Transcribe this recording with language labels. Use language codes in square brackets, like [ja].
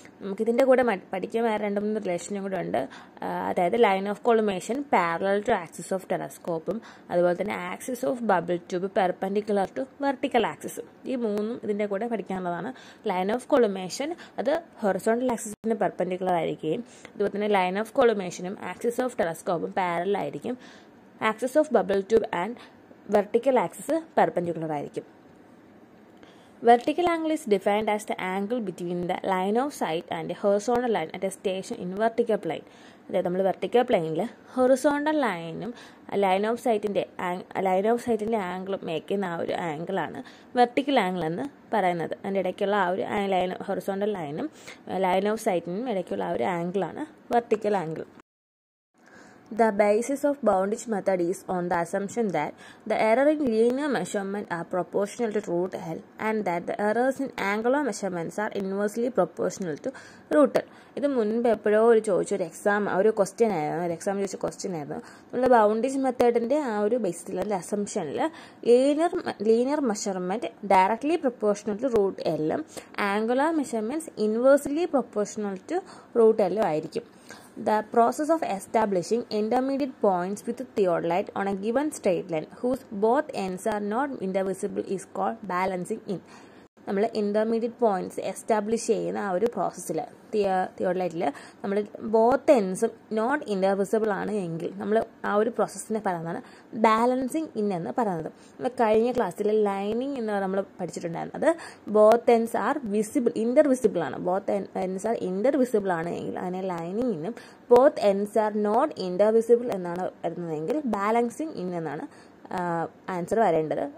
[ml] നമുക്കിതിൻ്റെ കൂടെ പഠിക്കാൻ വേറെ രണ്ട് മൂന്ന് റിലേഷനും കൂടെ ഉണ്ട്. അതായത് [en] Line of collimation parallel to axis of ടെലസ്കോപ്പും അതുപോലെ തന്നെ axis of bubble tube perpendicular to vertical ആക്സിസും. [ml] ഈ മൂന്നും ഇതിൻ്റെ കൂടെ പഠിക്കാനുള്ളതാണ്. ലൈൻ ഓഫ് കൊളിമേഷൻ അത് ഹൊറിസോണ്ടൽ ആക്സിസിന് പെർപെൻഡിക്കുലർ ആയിരിക്കുകയും അതുപോലെ തന്നെ line of കൊളിമേഷനും axis of ടെലസ്കോപ്പും parallel ആയിരിക്കും. [en] axis of bubble tube and vertical axis perpendicular [ml] ആയിരിക്കും. [en] Vertical angle is defined as the angle between the line of sight and the horizontal line at a station in vertical plane. [ml] അതായത് നമ്മൾ vertical പ്ലെയിനിൽ horizontal ലൈനും line of സൈറ്റിൻ്റെ ആംഗിളും മേക്കുന്ന ആ ഒരു ആംഗിളാണ് vertical angle എന്ന് പറയുന്നത്. അതിൻ്റെ ഇടയ്ക്കുള്ള ആ ഒരു ലൈൻ ഹൊറിസോണ്ടൽ ലൈനും ലൈൻ ഓഫ് സൈറ്റിനും ഇടയ്ക്കുള്ള ആ ഒരു ആംഗിളാണ് vertical angle. [en] The basis of Bowditch method is on the assumption that the error in linear measurement are proportional to root L and that the errors in angular measurements are inversely proportional to root L. [ml] ഇത് മുൻപ് എപ്പോഴോ ഒരു ചോദിച്ചൊരു exam ഒരു question ആയിരുന്നു, ഒരു exam ചോദിച്ച question ആയിരുന്നു. നമ്മുടെ ബൗണ്ടിച്ച് മെത്തേഡിൻ്റെ ആ ഒരു ബേസിൽ അല്ലെങ്കിൽ അസംഷനിൽ linear measurement directly proportional to root എല്ലും angular measurements inversely proportional to root എല്ലും ആയിരിക്കും. [en] The process of establishing intermediate points with theodolite on a given straight line whose both ends are not indivisible is called balancing in. [ml] നമ്മൾ intermediate points establish ചെയ്യുന്ന ആ ഒരു പ്രോസസ്സിൽ തിയോഡലൈറ്റിൽ നമ്മൾ both എൻസും not indivisible ആണ് എങ്കിൽ നമ്മൾ ആ ഒരു പ്രോസസ്സിനെ പറയുന്നതാണ് ബാലൻസിങ് ഇൻ എന്ന് പറയുന്നത്. നമ്മൾ കഴിഞ്ഞ ക്ലാസ്സിൽ ലൈനിങ് എന്ന് നമ്മൾ പഠിച്ചിട്ടുണ്ടായിരുന്നത് ബോത്ത് എൻസ് ആർ വിസിബിൾ ഇൻ്റർവിസിബിൾ ആണ്, ബോത്ത് എൻസ് ആർ ഇൻ്റർവിസിബിൾ ആണ് എങ്കിൽ അതിനെ ലൈനിങ് ഇന്നും ബോത്ത് എൻസ് ആർ നോട്ട് ഇൻ്റർവിസിബിൾ എന്നാണ് വരുന്നതെങ്കിൽ ബാലൻസിങ് ഇൻ എന്നാണ് ആൻസർ വരേണ്ടത്.